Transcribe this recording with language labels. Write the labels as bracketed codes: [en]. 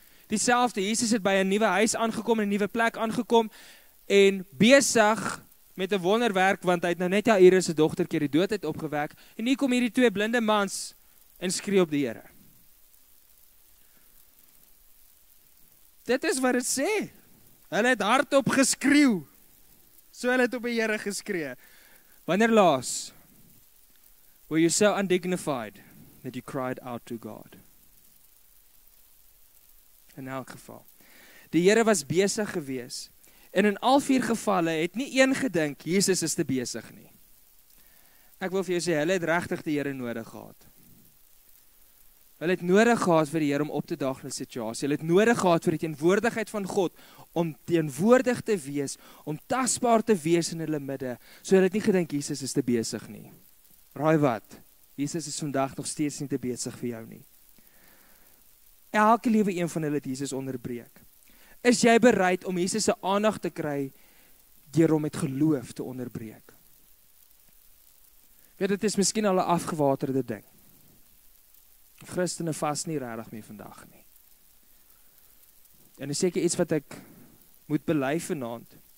[af] Dieselfde, Jesus het by 'n nuwe huis aangekom, 'n nuwe plek aangekom, en besig met 'n wonderwerk, want hy het nou net Jairus se dogtertjie die dood uit opgewek, en hier kom hierdie twee blinde mans en skree op die Here. Dit is wat het sê. Hulle het hardop geskreeu. So hulle het op die Here geskree. Wanneer laas [en] were you so undignified that you cried out to God? [af] In elk geval. Die Here was besig gewees. En in al vier gevalle het nie een gedink Jesus is te besig nie. Ek wil vir jou sê, hulle het regtig die Here nodig gehad. Hulle het nodig gehad vir die Here om op te daag in 'n situasie. Hulle het nodig gehad vir die teenwoordigheid van God om teenwoordig te wees, om tasbaar te wees in hulle midde. So hulle het nie gedink Jesus is te besig nie. Raai wat? Jesus is vandag nog steeds nie te besig vir jou nie. Elke liewe een van hulle het Jesus onderbreek. Is jy bereid om Jesus se aandag te kry deur hom met geloof te onderbreek? Weet, dit is miskien al 'n afgewaterde ding. Christene vas nie regtig meer vandag nie. En is seker iets wat ek moet bely vanaand.